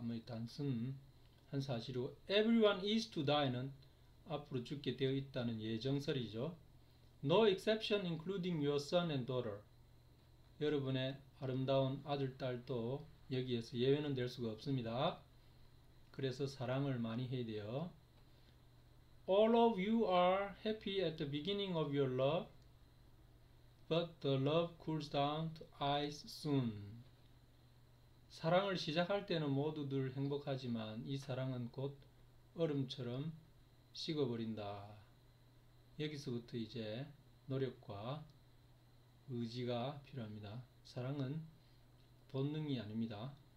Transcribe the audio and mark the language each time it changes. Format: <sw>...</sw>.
<ko>뭐 단순한 사실이고</ko> <en>everyone is to die</en> <ko>는 앞으로 죽게 되어 있다는 예정설이죠.</ko> <en>No exception including your son and daughter.</en> <ko>여러분의 아름다운 아들, 딸도 여기에서 예외는 될 수가 없습니다. 그래서 사랑을 많이 해야 돼요.</ko> <en>All of you are happy at the beginning of your love, but the love cools down to ice soon.</en> <ko>사랑을 시작할 때는 모두들 행복하지만 이 사랑은 곧 얼음처럼 식어버린다. 여기서부터 이제 노력과 의지가 필요합니다. 사랑은 본능이 아닙니다.</ko>